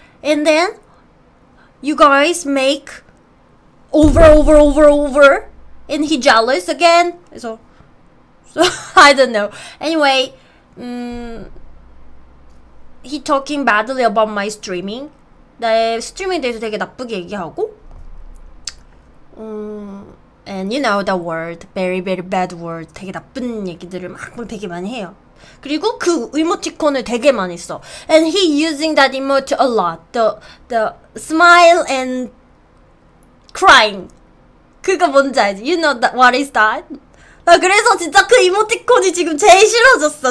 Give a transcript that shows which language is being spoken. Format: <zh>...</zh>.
<en>And then you guys make over. And he jealous again. So I don't know. Anyway, he talking badly about my streaming.</en> <ko>나의 스트리밍에 대해서 되게 나쁘게 얘기하고.</ko> <en>And you know the word, very very bad word.</en> <ko>되게 나쁜 얘기들을 막 되게 많이 해요. 그리고 그 이모티콘을 되게 많이 써.</ko> <en>And he using that emoji a lot. The smile and crying.</en> <ko>그거 뭔지 알지?</ko> <en>You know that, what is that?</en> <ko>나 그래서 진짜 그 이모티콘이 지금 제일 싫어졌어.</ko>